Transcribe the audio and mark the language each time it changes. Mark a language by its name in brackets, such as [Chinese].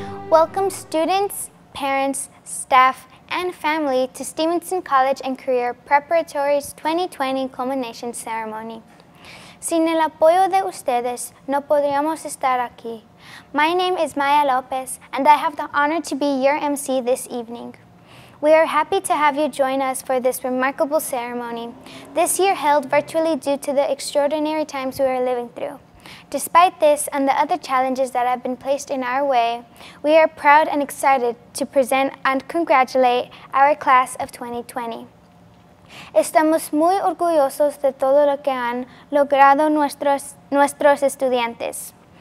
[English] welcome students, parents, staff, and family to Stevenson College and Career Preparatory's 2020 Culmination Ceremony. [Spanish] Sin el apoyo de ustedes, no podríamos estar aquí. [English] My name is Maya Lopez, and I have the honor to be your MC this evening. We are happy to have you join us for this remarkable ceremony, this year held virtually due to the extraordinary times we are living through. Despite this and the other challenges that have been placed in our way, we are proud and excited to present and congratulate our class of 2020. [Spanish] Estamos muy orgullosos de todo lo que han logrado nuestros estudiantes.